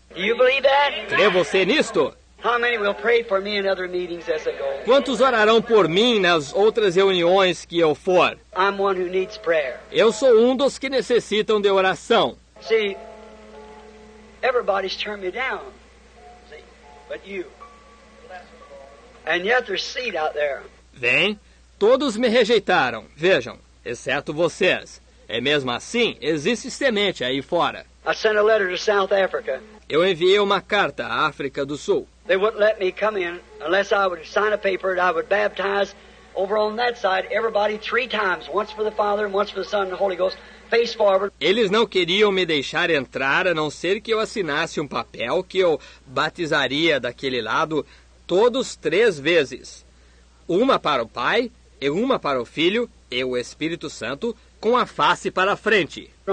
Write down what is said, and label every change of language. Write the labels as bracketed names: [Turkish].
[English] You believe that? [Portuguese] Crê você nisto? [English] How many will pray for me in other meetings as I go? [Portuguese] Quantos orarão por mim nas outras reuniões que eu for? [English] I'm one who needs prayer. [Portuguese] Eu sou um dos que necessitam de oração. [English] See, everybody's turned me down. See, but you. And yet there's seed out there. [Portuguese] Vem, todos me rejeitaram. Vejam. Exceto vocês. É mesmo assim, existe semente aí fora. [English] I sent a letter to South Africa. [Portuguese] Eu enviei uma carta à África do Sul. [English] They wouldn't let me come in unless I would sign a paper that I would baptize over on that side everybody three times, once for the Father and once for the Son and the Holy Ghost, face forward. [Portuguese] Eles não queriam me deixar entrar a não ser que eu assinasse um papel que eu batizaria daquele lado todos três vezes. Uma para o Pai e uma para o Filho. E o Espírito Santo com a face para a frente.